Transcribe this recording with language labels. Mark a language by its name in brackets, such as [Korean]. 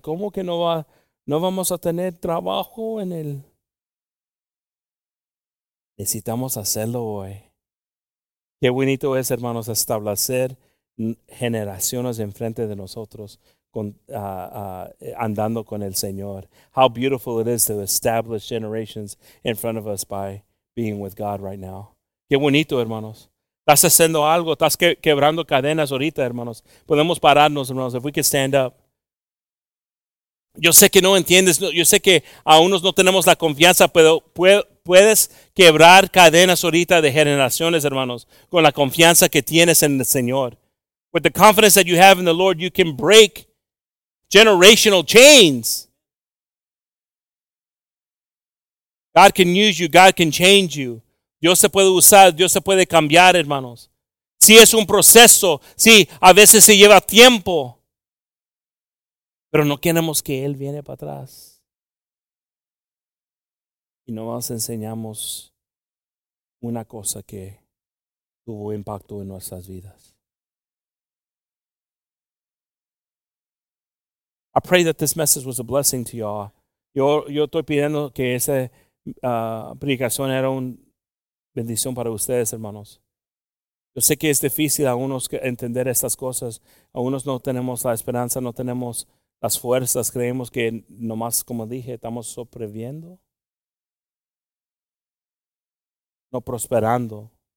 [Spanish] ¿Cómo que no vamos a tener trabajo en él? Necesitamos hacerlo hoy. Qué bonito es, hermanos, establecer generaciones enfrente de nosotros andando con el Señor. [English] How beautiful it is to establish generations in front of us by being with God right now. [Spanish] Qué bonito, hermanos. Estás haciendo algo, estás quebrando cadenas ahorita, hermanos. Podemos pararnos, hermanos, [English] if we could stand up. [Spanish] Yo sé que no entiendes, yo sé que a unos no tenemos la confianza, pero puedes quebrar cadenas ahorita de generaciones, hermanos, con la confianza que tienes en el Señor. [English] With the confidence that you have in the Lord, you can break generational chains. God can use you, God can change you. [Spanish] Dios se puede usar, Dios se puede cambiar, hermanos. Sí, es un proceso, sí, a veces se lleva tiempo. Pero no queremos que Él viene para atrás. Y nomás enseñamos una cosa que tuvo impacto en nuestras vidas. [English] I pray that this message was a blessing to y'all. [Spanish] Yo estoy pidiendo que esa predicación era una bendición para ustedes, hermanos. Yo sé que es difícil a unos entender estas cosas. A unos no tenemos la esperanza, no tenemos las fuerzas, creemos que nomás, como dije, estamos sobreviviendo, no prosperando.